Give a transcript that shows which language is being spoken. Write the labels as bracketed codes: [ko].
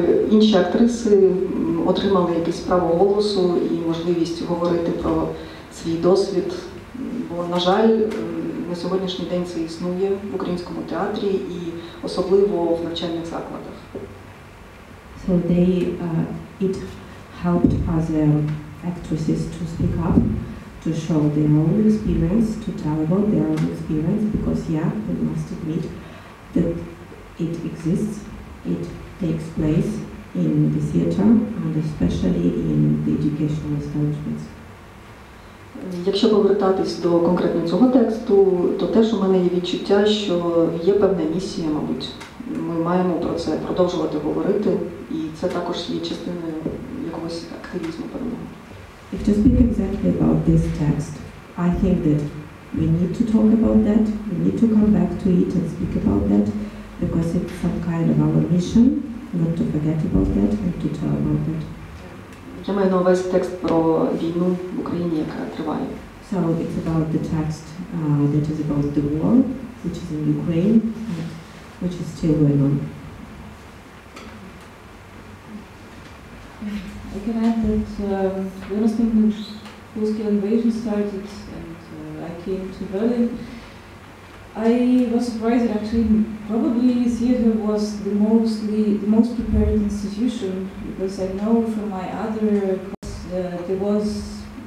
[uk] Інші актриси отримали якесь право голосу і можливість говорити про свій досвід. Бо, на жаль, на сьогоднішній день це існує в українському театрі і особливо в навчальних закладах. [en] So they it helped other actresses to speak up, to show their own experience, to tell about their own experience, because yeah, we must admit that it exists, it takes place in the theater and especially in the educational establishments. [uk] Якщо повертатись до конкретно цього тексту, то теж у мене є відчуття, що є певна місія, мабуть. Ми маємо про це продовжувати говорити, і це також є частиною якогось активізму певного. [en] If to speak exactly about this text, I think that we need to talk about that, we need to come back to it and speak about that, because it's some kind of our mission, not to forget about that and to tell about that. [uk] Я маю на увазі текст про війну в Україні, яка триває. [en] So it's about the text that is about the war, which is in Ukraine, and which is still going on. I can add that when I was thinking of full-scale invasion started and I came to Berlin, I was surprised that actually probably theater was the most prepared institution, because I know from my other course there was